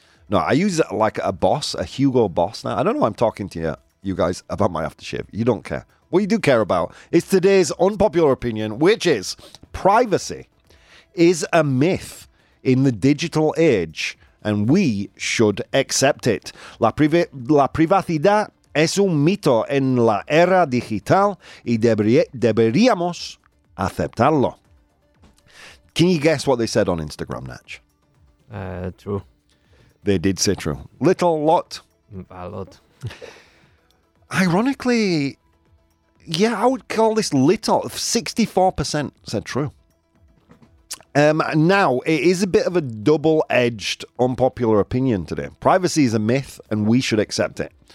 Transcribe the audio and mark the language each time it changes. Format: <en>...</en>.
<en>No, I use it like a Boss, a Hugo Boss now. I don't know why I'm talking to you guys about my aftershave. You don't care. What you do care about is today's unpopular opinion, which is privacy is a myth in the digital age and we should accept it.</en> <es>La privacidad es un mito en la era digital y deberíamos aceptarlo.</es> <en>Can you guess what they said on Instagram, Natch? True. They did say true. Little lot. A lot. Ironically... Yeah, I would call this little. 64% said true. Now, it is a bit of a double-edged, unpopular opinion today. Privacy is a myth, and we should accept it.</en>